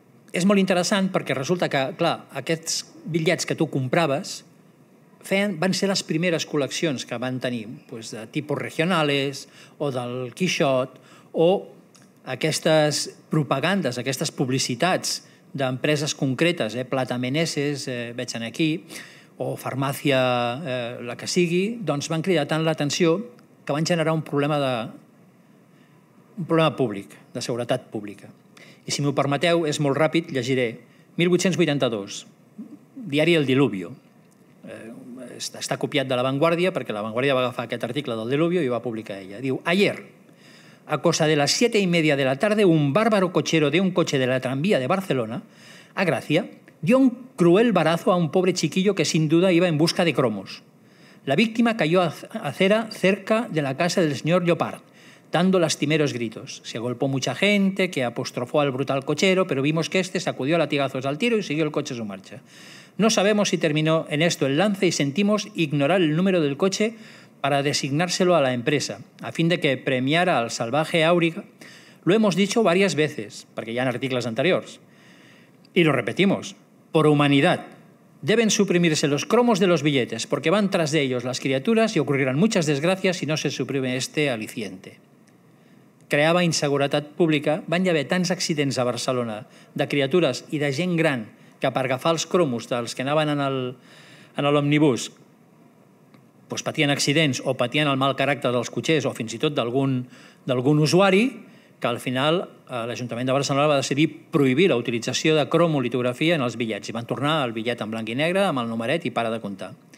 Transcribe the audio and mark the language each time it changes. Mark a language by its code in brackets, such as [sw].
[ca] És molt interessant perquè resulta que, clar, aquests bitllets que tu compraves van ser les primeres col·leccions que van tenir doncs, de tipus regionales o del Quixot o aquestes propagandes, aquestes publicitats d'empreses concretes, Plata Meneses, veig aquí, o Farmàcia, la que sigui, doncs van cridar tant l'atenció que van generar un problema públic, de seguretat pública. I si m'ho permeteu, és molt ràpid, llegiré. 1882, diari El Diluvio. Està copiat de La Vanguardia, perquè La Vanguardia va agafar aquest article del Diluvio i ho va publicar ella. Diu, ayer, [es] a cosa de las 7:30 de la tarde, un bárbaro cochero de un coche de la tranvía de Barcelona, a Gracia, dio un cruel varazo a un pobre chiquillo que sin duda iba en busca de cromos. La víctima cayó a acera cerca de la casa del señor Llopart, dando lastimeros gritos. Se agolpó mucha gente, que apostrofó al brutal cochero, pero vimos que este sacudió a latigazos al tiro y siguió el coche a su marcha. No sabemos si terminó en esto el lance y sentimos ignorar el número del coche para designárselo a la empresa, a fin de que premiara al salvaje Auriga. Lo hemos dicho varias veces, porque ya en artículos anteriores. Y lo repetimos, por humanidad. Deben suprimirse los cromos de los billetes, porque van tras de ellos las criaturas y ocurrirán muchas desgracias si no se suprime este aliciente. [ca] Creava inseguretat pública, van haver tants accidents a Barcelona de criatures i de gent gran que per agafar els cromos dels que anaven en l'omnibus pues patien accidents o patien el mal caràcter dels cotxers o fins i tot d'algun usuari, que al final l'Ajuntament de Barcelona va decidir prohibir la utilització de cromolitografia en els bitllets. I van tornar el bitllet en blanc i negre, amb el numeret i para de comptar.